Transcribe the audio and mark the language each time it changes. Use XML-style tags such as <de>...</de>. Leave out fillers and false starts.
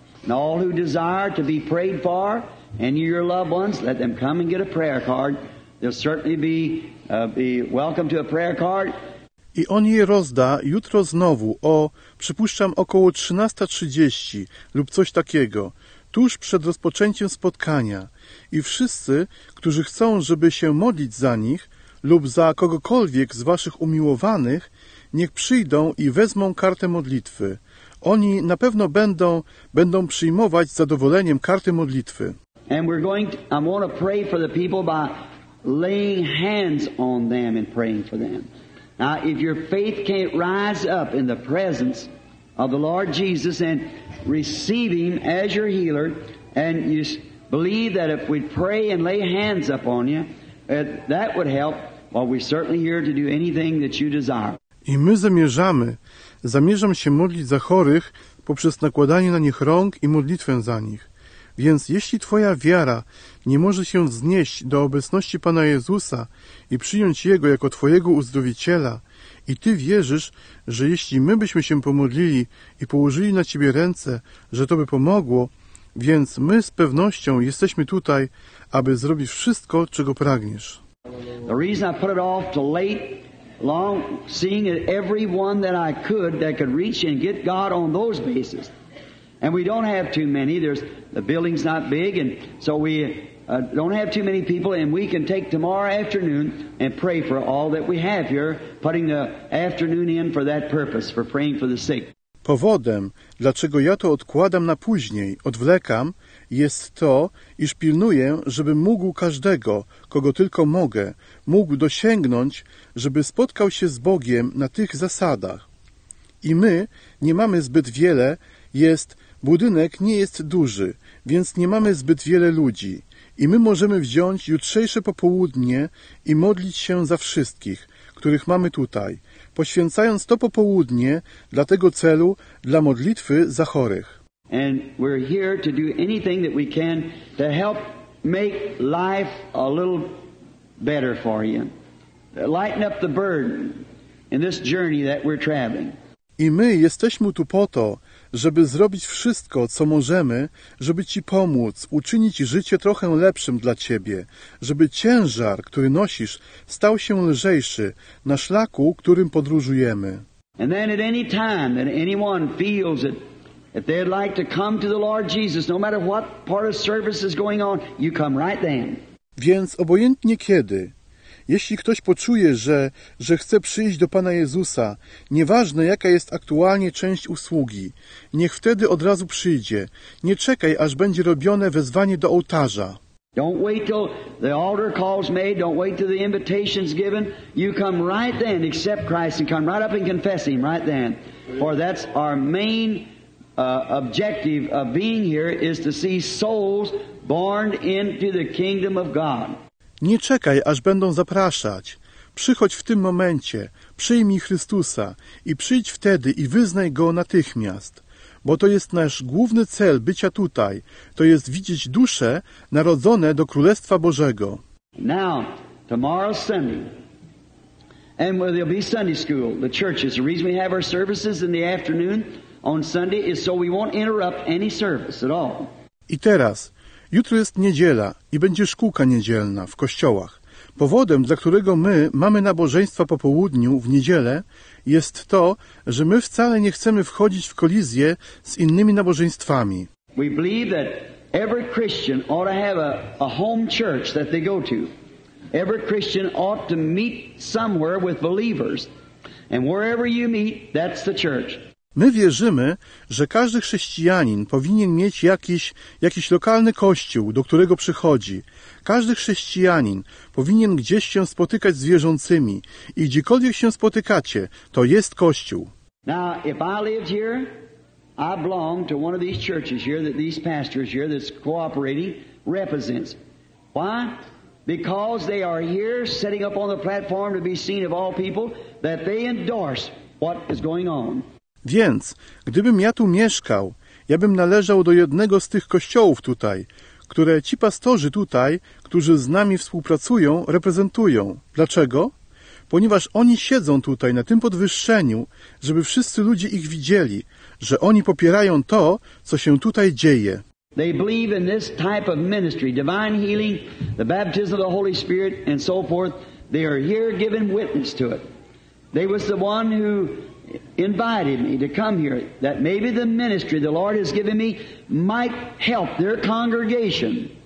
<en>And all who desire to be prayed for, and your loved ones, let them come and get a prayer card. They'll certainly be welcome to a prayer card.</en> <pl>I on je rozda jutro znowu o, przypuszczam, około 13:30 lub coś takiego, tuż przed rozpoczęciem spotkania. I wszyscy, którzy chcą, żeby się modlić za nich lub za kogokolwiek z waszych umiłowanych, niech przyjdą i wezmą kartę modlitwy. Oni na pewno będą przyjmować z zadowoleniem karty modlitwy.</pl> <en>And we're going to, I want to pray for the people by laying hands on them and praying for them. Now, if your faith can't rise up in the presence of the Lord Jesus and receive Him as your healer, and you believe that if we pray and lay hands up on you, that would help, Well, we're certainly here to do anything that you desire.</en> <pl>I my zamierzam się modlić za chorych poprzez nakładanie na nich rąk i modlitwę za nich. Więc jeśli Twoja wiara nie może się wznieść do obecności Pana Jezusa i przyjąć Jego jako Twojego uzdrowiciela i Ty wierzysz, że jeśli my byśmy się pomodlili i położyli na Ciebie ręce, że to by pomogło, więc my z pewnością jesteśmy tutaj, aby zrobić wszystko, czego pragniesz.</pl> <en>The reason I put it off to late, long, seeing that everyone that I could reach and get God on those bases. And we don't have too many. There's the building's not big, and so we don't have too many people, and we can take tomorrow afternoon and pray for all that we have here, putting the afternoon in for that purpose, for praying for the sick.</en> <pl>Powodem, dlaczego ja to odkładam na później, odwlekam, jest to, iż pilnuję, żebym mógł każdego, kogo tylko mogę, mógł dosięgnąć, żeby spotkał się z Bogiem na tych zasadach. I my nie mamy zbyt wiele, jest, budynek nie jest duży, więc nie mamy zbyt wiele ludzi. I my możemy wziąć jutrzejsze popołudnie i modlić się za wszystkich, których mamy tutaj, poświęcając to popołudnie dla tego celu, dla modlitwy za chorych.</pl> <en>And we're here to do anything that we can to help make life a little better for you. Lighten up the burden in this journey that we're traveling.</en> <pl>I my jesteśmy tu po to, żeby zrobić wszystko, co możemy, żeby Ci pomóc, uczynić życie trochę lepszym dla Ciebie, żeby ciężar, który nosisz, stał się lżejszy na szlaku, którym podróżujemy.</pl> <en>And then at any time that anyone feels that if they'd like to come to the Lord Jesus, no matter what part of service is going on, you come right then.</en> <pl>Więc obojętnie kiedy, jeśli ktoś poczuje, że chce przyjść do Pana Jezusa, nieważne jaka jest aktualnie część usługi, niech wtedy od razu przyjdzie. Nie czekaj, aż będzie robione wezwanie do ołtarza.</pl> <en>Don't wait till the altar call's made, don't wait till the invitation's given. You come right then, accept Christ and come right up and confess Him right then. For that's our main objective of being here is to see souls born into the kingdom of God.</en> <pl>Nie czekaj, aż będą zapraszać. Przychodź w tym momencie, przyjmij Chrystusa i przyjdź wtedy i wyznaj Go natychmiast. Bo to jest nasz główny cel bycia tutaj. To jest widzieć dusze narodzone do Królestwa Bożego.</pl> <en>Now, tomorrow's Sunday. And there'll be Sunday school, the churches. The reason we have our services in the afternoon on Sunday is so we won't interrupt any service at all.</en> <pl>I teraz, jutro jest niedziela i będzie szkółka niedzielna w kościołach. Powodem, dla którego my mamy nabożeństwa po południu w niedzielę, jest to, że my wcale nie chcemy wchodzić w kolizję z innymi nabożeństwami.</pl> <en>We believe that every Christian ought to have a home church that they go to. Every Christian ought to meet somewhere with believers. And wherever you meet, that's the church.</en> <pl>My wierzymy, że każdy chrześcijanin powinien mieć jakiś lokalny kościół, do którego przychodzi. Każdy chrześcijanin powinien gdzieś się spotykać z wierzącymi i gdziekolwiek się spotykacie, to jest kościół.</pl> <en>Now, if I lived here, I belong to one of these churches here that these pastors here that's cooperating represents. Why? Because they are here setting up on the platform to be seen of all people that they endorse what is going on.</en> <pl>Więc, gdybym ja tu mieszkał, ja bym należał do jednego z tych kościołów tutaj, które ci pastorzy tutaj, którzy z nami współpracują, reprezentują. Dlaczego? Ponieważ oni siedzą tutaj na tym podwyższeniu, żeby wszyscy ludzie ich widzieli, że oni popierają to, co się tutaj dzieje.</pl> <en>They believe in this type of ministry, divine healing, the baptism of the Holy Spirit, and so forth. They are here giving witness to it. They was the one who invited me to come here, that maybe the ministry the Lord has given me might help their congregation.</en>